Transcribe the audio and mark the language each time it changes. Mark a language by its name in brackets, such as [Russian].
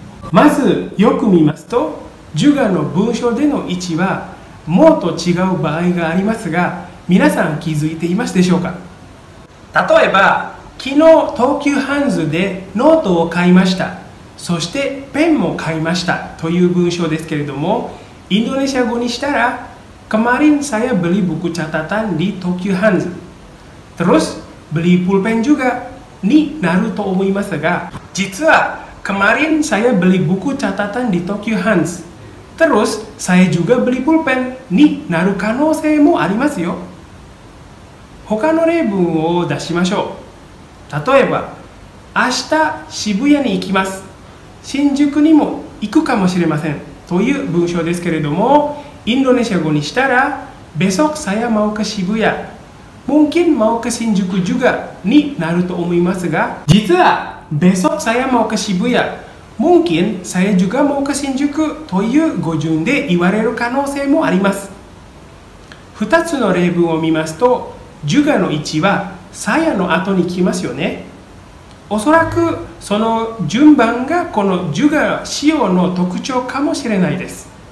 [Japanese] まず、よく見ますと、ジュガの文章での位置は、もと違う場合がありますが、皆さん気づいていますでしょうか？例えば、昨日東急ハンズでノートを買いました。そしてペンも買いましたという文章ですけれども、インドネシア語にしたら、 [Indonesian] Kemarin saya beli buku catatan di Tokyo Hanzu. Terus beli pulpen juga [Japanese] になると思いますが、実は [Indonesian] kemarin saya beli buku catatan di Tokyo Hanzu. Terus saya juga beli pulpen [Japanese] になる可能性もありますよ。他の例文を出しましょう。例えば、明日渋谷に行きます。新宿にも行くかもしれませんという文章ですけれども、インドネシア語にしたら、 [Indonesian] besok saya mau ke Shibuya。 mungkin mau ke Shinjuku juga [Japanese] になると思いますが、実は、 [Indonesian] besok saya mau ke Shibuya。 mungkin saya juga mau ke Shinjuku [Japanese] という語順で言われる可能性もあります。二つの例文を見ますと、ジュガの位置は、さやの後に来ますよね。おそらく、その順番がこのジュガ仕様の特徴かもしれないです。